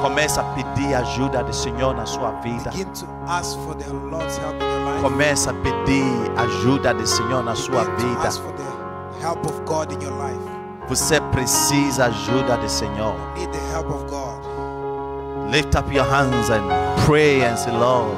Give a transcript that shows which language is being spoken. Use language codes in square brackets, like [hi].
[pt] Comece a pedir ajuda do Senhor na sua vida. [en] Begin to ask for the Lord's help in your life. [pt] Comece a pedir ajuda do Senhor na sua vida. [en] Begin to ask for the help of God in your life. [pt] Você precisa ajuda do Senhor. [en] You need the help of God. Lift up your hands and pray and say, Lord,